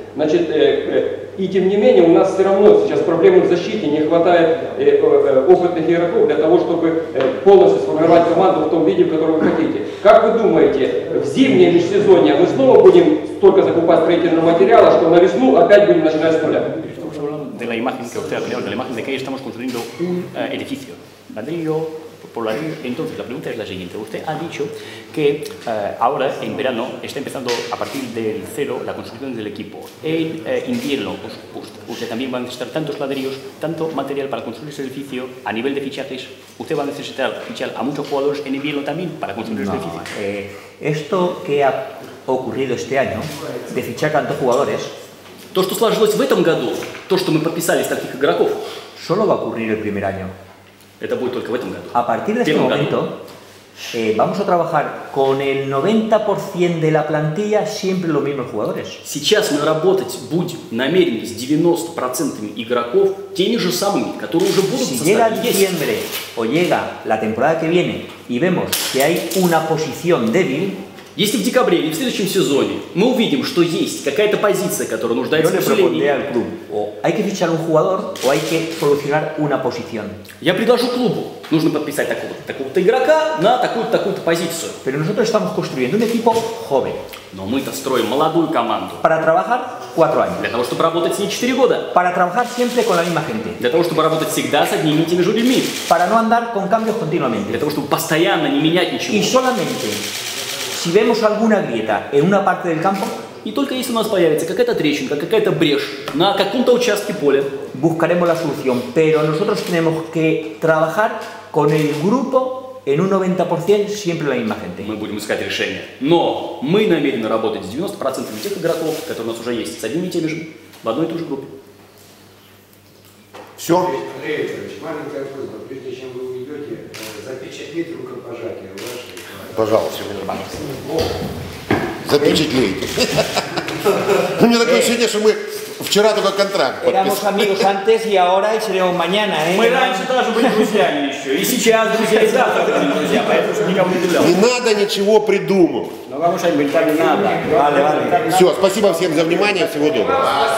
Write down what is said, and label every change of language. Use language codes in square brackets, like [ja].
[ru] Значит, и тем не менее, у нас все равно сейчас проблемы в защите, не хватает опытных игроков для того, чтобы полностью сформировать команду в том виде, в котором вы хотите. Как вы думаете, в зимнее межсезонье мы снова будем столько закупать строительного материала, что на весну опять будем начинать с нуля? [es] De la imagen que usted ha creado, de la imagen de que estamos construyendo un edificio. Ladrillo por ladrillo. Entonces, la pregunta es la siguiente. Usted ha dicho que ahora, en verano, está empezando a partir del cero la construcción del equipo. En invierno, usted también va a necesitar tantos ladrillos, tanto material para construir ese edificio a nivel de fichajes. ¿Usted va a necesitar fichar a muchos jugadores en invierno también para construir ese edificio? Esto que ha ocurrido este año, de fichar tantos jugadores, [ru] то, что сложилось в этом году, то, что мы подписали с таких игроков, [es] solo va a ocurrir el primer año. [ru] Это будет только в этом году. [es] A partir de este momento, vamos a trabajar con el 90% de la plantilla siempre los mismos jugadores. [ru] Сейчас мы работать будем намерены с 90% игроков теми же самыми, которые уже будут [es] состоять. Si llega diciembre o llega la temporada que viene y vemos que hay una posición débil. [ru] Если в декабре или в следующем сезоне мы увидим, что есть какая-то позиция, которая нуждается в усилении, я предложу клубу, нужно подписать такого-то игрока на такую-то позицию. [es] Pero nosotros estamos construyendo un equipo joven. [ru] Но мы-то строим молодую команду. [es] Para trabajar 4 años. [ru] Для того, чтобы работать с ней 4 года. [es] Para trabajar siempre con la misma gente. [ru] Для того, чтобы работать всегда с одними и теми же людьми. [es] Para no andar con cambios continuamente. [ru] Для того, чтобы постоянно не менять ничего. [es] Y solamente si vemos alguna grieta en una parte del campo, [ru] не только если у нас появится какая-то трещинка, какая-то брешь на каком-то участке поля, [es] buscaremos la solución, pero nosotros tenemos que trabajar con el grupo en un 90% siempre la misma gente. [ru] Мы будем искать решение, но мы намерены работать с 90% тех игроков, которые у нас уже есть, с одними и теми же, в одной и той же группе. Все? Андрей Викторович, маленькая просьба, прежде чем вы уйдете, запечатлеть рукопожатие ваше. Пожалуйста. Запечатлейте. У меня такое ощущение, что мы вчера только контракт подписали. [es] Éramos amigos antes y ahora y seremos mañana, ¿eh? [ru] Мы раньше тоже были друзьями еще. И сейчас друзья, и завтра будем друзья, поэтому что никому не удивлял. Не надо ничего придумывать. Ну вам уж не так надо. Вали, вали. Все, спасибо всем за внимание, всего доброго.